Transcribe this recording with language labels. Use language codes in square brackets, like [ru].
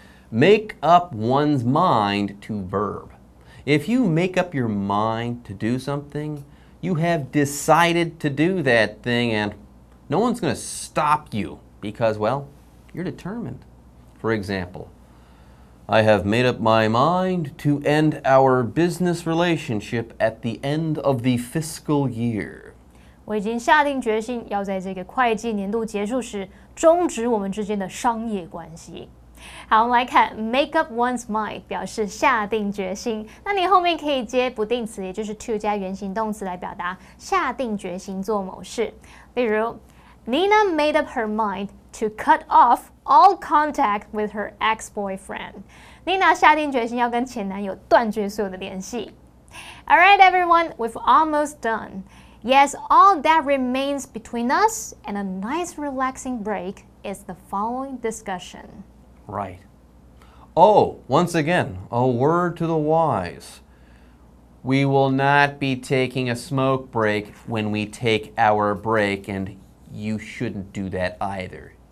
[en] Make up one's mind to verb. If you make up your mind to do something, you have decided to do that thing and no one's going to stop you because, well, you're determined. For example,I have made up my mind to end our business relationship at the end of the fiscal year. [zh] 我已经下定决心要在这个会计年度结束时终止我们之间的商业关系。好，我们来看 make up one's mind 表示下定决心。那你后面可以接不定词，也就是 to 加原形动词来表达下定决心做某事。例如 [en] ，Nina made up her mind. To cut off all contact with her ex-boyfriend. [zh] Nina 下定决心要跟前男友断绝所有的联系。 [en] Alright, everyone, we've almost done. Yes, all that remains between us and a nice relaxing break is the following discussion. Right. Oh, once again, a word to the wise. We will not be taking a smoke break when we take our break, and you shouldn't do that either.